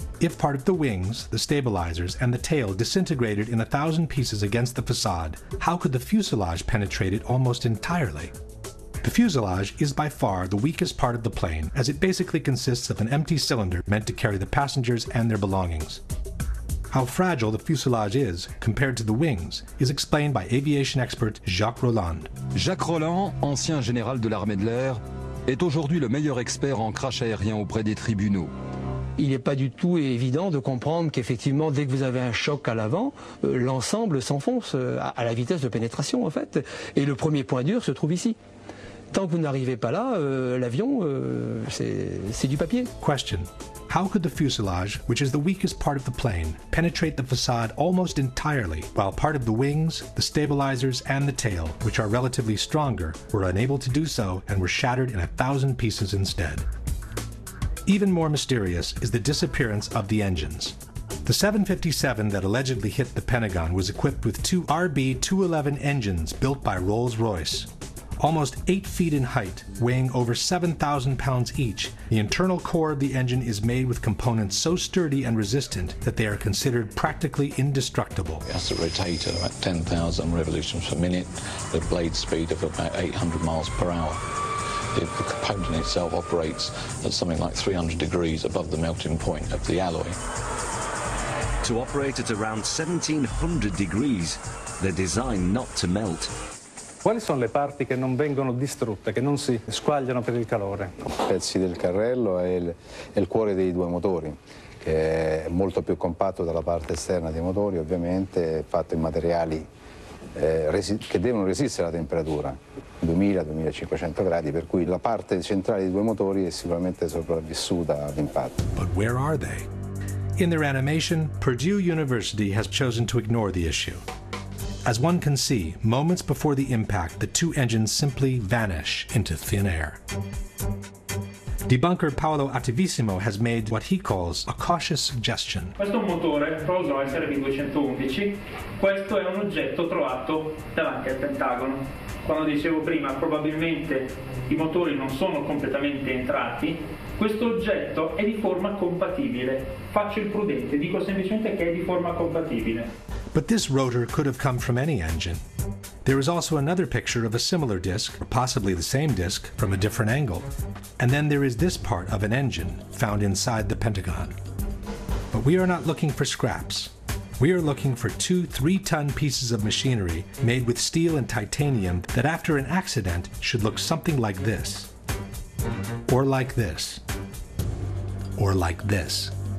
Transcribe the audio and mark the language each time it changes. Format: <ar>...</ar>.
<en>If part of the wings, the stabilizers, and the tail disintegrated in 1,000 pieces against the facade, how could the fuselage penetrate it almost entirely? The fuselage is by far the weakest part of the plane, as it basically consists of an empty cylinder meant to carry the passengers and their belongings. How fragile the fuselage is, compared to the wings, is explained by aviation expert Jacques Roland.</en> <fr>Jacques Roland, ancien général de l'armée de l'air, est aujourd'hui le meilleur expert en crash aérien auprès des tribunaux. Il n'est pas du tout évident de comprendre qu'effectivement, dès que vous avez un choc à l'avant, l'ensemble s'enfonce à la vitesse de pénétration, en fait. Et le premier point dur se trouve ici. Tant que vous n'arrivez pas là, l'avion, c'est du papier.</fr> <en>Question. How could the fuselage, which is the weakest part of the plane, penetrate the facade almost entirely, while part of the wings, the stabilizers, and the tail, which are relatively stronger, were unable to do so and were shattered in 1,000 pieces instead? Even more mysterious is the disappearance of the engines. The 757 that allegedly hit the Pentagon was equipped with two RB211 engines built by Rolls-Royce. Almost 8 feet in height, weighing over 7,000 pounds each, the internal core of the engine is made with components so sturdy and resistant that they are considered practically indestructible. That's a rotator at 10,000 revolutions per minute, the blade speed of about 800 miles per hour. The component itself operates at something like 300 degrees above the melting point of the alloy. To operate at around 1,700 degrees, they're designed not to melt.</en> <it>Quali sono le parti che non vengono distrutte, che non si squagliano per il calore? Pezzi del carrello e il cuore dei due motori, che è molto più compatto dalla parte esterna dei motori, ovviamente fatto in materiali che devono resistere alla temperatura, 2000-2500 gradi, per cui la parte centrale dei due motori è sicuramente sopravvissuta all'impatto.</it> <en>But where are they? In their animation, Purdue University has chosen to ignore the issue. As one can see, moments before the impact, the two engines simply vanish into thin air. Debunker Paolo Attivissimo has made what he calls a cautious suggestion.</en> <it>Questo è un motore Rolls-Royce RB211. Questo è un oggetto trovato davanti al Pentagono. Quando dicevo prima, probabilmente i motori non sono completamente entrati. Questo oggetto è di forma compatibile. Faccio il prudente, dico semplicemente che è di forma compatibile.</it> <en>But this rotor could have come from any engine. There is also another picture of a similar disc, or possibly the same disc, from a different angle. And then there is this part of an engine found inside the Pentagon. But we are not looking for scraps. We are looking for 2 3-ton pieces of machinery made with steel and titanium that after an accident should look something like this. Or like this. Or like this.</en>